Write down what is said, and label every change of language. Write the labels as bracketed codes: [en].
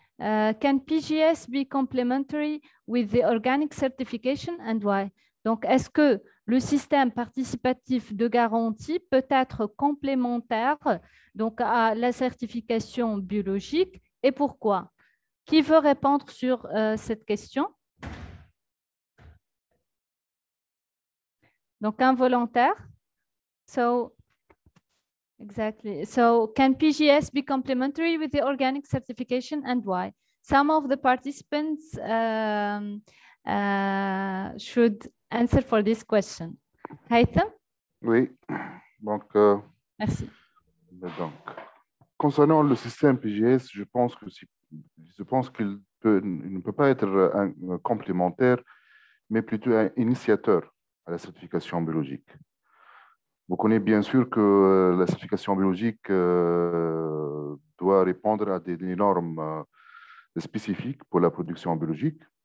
[en] Can PGS be complementary with the organic certification and why? [fr] Donc, est-ce que le système participatif de garantie peut être complémentaire donc, à la certification biologique et pourquoi? Qui veut répondre sur cette question? Donc, un volontaire. [en] So, exactly. So, can PGS be complementary with the organic certification and why? Some of the participants should answer for this question. Haytham? [fr] Oui. Donc, merci. Donc, concernant le système PGS, je pense qu'il ne peut pas être un complémentaire, mais plutôt un initiateur à la certification biologique. Vous connaissez bien sûr que la certification biologique doit répondre à des normes spécifiques pour la production biologique.